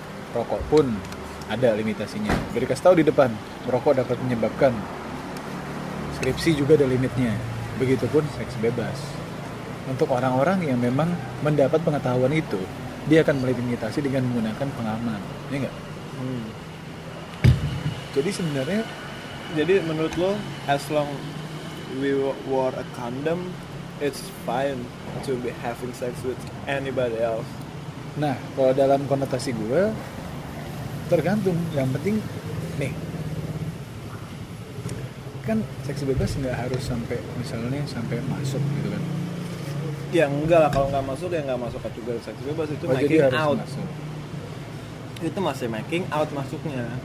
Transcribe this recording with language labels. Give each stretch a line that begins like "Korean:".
Indonesian: Rokok pun ada limitasinya. Beri kasih tahu di depan, merokok dapat menyebabkan skripsi, juga ada limitnya. Begitupun seks bebas. Untuk orang-orang yang memang mendapat pengetahuan itu, dia akan melimitasi dengan menggunakan pengaman. Ya enggak? Jadi sebenarnya, jadi menurut lo,
English: as long we wore a condom, it's fine to be having sex with anybody else.
Indonesian: Nah, kalau dalam konotasi gue, tergantung, yang penting nih kan seks bebas nggak harus sampai misalnya sampai masuk gitu kan? Ya enggak lah, kalau nggak masuk ya nggak masuk juga. Seks bebas itu
English: making out
Indonesian: masuknya.